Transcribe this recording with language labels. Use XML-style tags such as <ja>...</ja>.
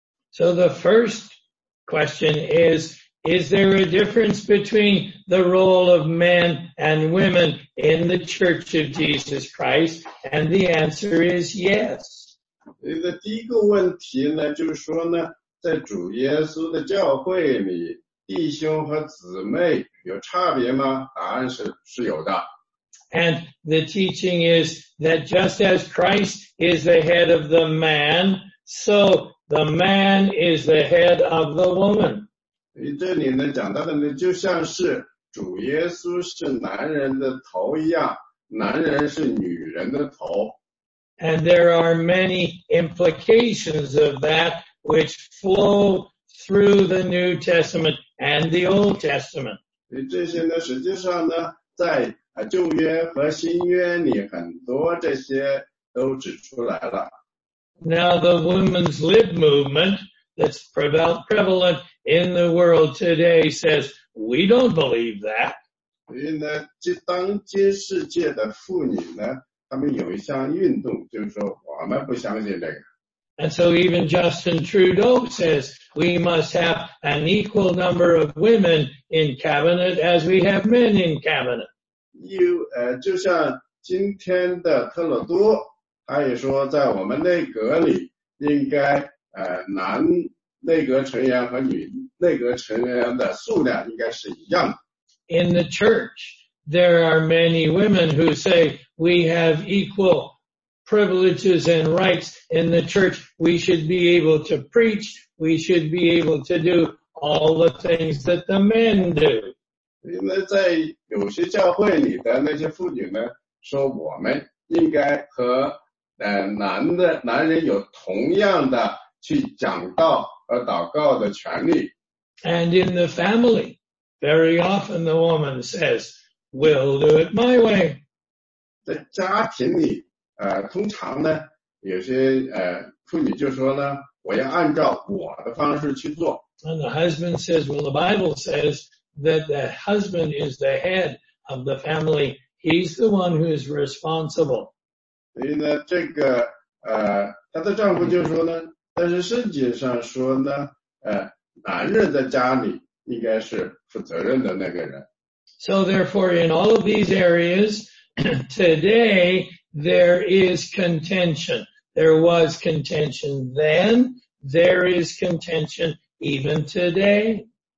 <en>So the first question is there a difference between the role of men and women in the Church of Jesus Christ? And the answer is yes.</en> <zh>那第一个问题呢，就是说呢，在主耶稣的教会里。弟兄和姊妹有差别吗？答案是有的。</zh> <en>And the teaching is that just as Christ is the head of the man, so the man is the head of the woman.</en> <zh>这里呢讲到的呢，就像是主耶稣是男人的头一样，男人是女人的头。</zh> <en>And there are many implications of that which flow through the New Testament. And the Old Testament.</en> <zh>这些呢，实际上呢，在旧约和新约里，很多这些都指出来了。</zh> <en>Now the women's lib movement that's prevalent in the world today says we don't believe that.</en> <zh>所以呢，就当今世界的妇女呢，她们有一项运动，就是说我们不相信这个。</zh> <en>And so even Justin Trudeau says we must have an equal number of women in cabinet as we have men in cabinet.</en> <zh>就像今天的特鲁多，他也说在我们内阁里应该男内阁成员和女内阁成员的数量应该是一样的。</zh> <en>In the church, there are many women who say we have equal. Privileges and rights in the church, we should be able to preach, we should be able to do all the things that the men do.</en> <zh>因为在有些教会里的那些妇女呢，说我们应该和男人有同样的去讲道和祷告的权利。</zh> <en>And in the family, very often the woman says, we'll do it my way.</en> <zh>在家庭里通常呢，有些妇女就说呢，我要按照我的方式去做。</zh> <en>And the husband says, well, the Bible says that the husband is the head of the family. He's the one who is responsible.</en> <zh>所以呢，这个她的丈夫就说呢，但是圣经上说呢，男人在家里应该是负责任的那个人。</zh> <en>So therefore, in all of these areas today. There is contention. There was contention then. There is contention even today.</en>